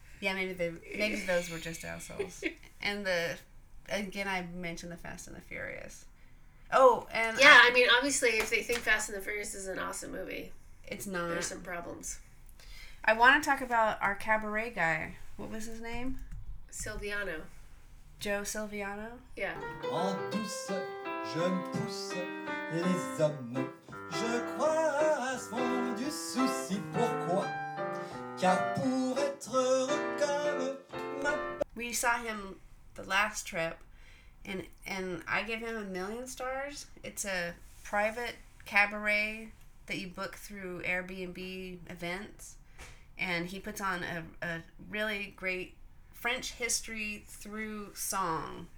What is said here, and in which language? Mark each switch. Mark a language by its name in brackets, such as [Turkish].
[English] Yeah, maybe those were just assholes. And again, I mentioned the Fast and the Furious. Oh, and... Yeah, I mean, obviously, if they think Fast and the Furious is an awesome movie... It's not. There's some problems. I want to talk about our cabaret guy. What was his name? Silviano. Joe Silviano? Yeah. [French] En douce, je me pousse, et les hommes, je crois, font du souci. Pourquoi? Car pour être comme ma... [English] We saw him the last trip, and I gave him a million stars. It's a private cabaret that you book through Airbnb events, and he puts on a really great French history through song.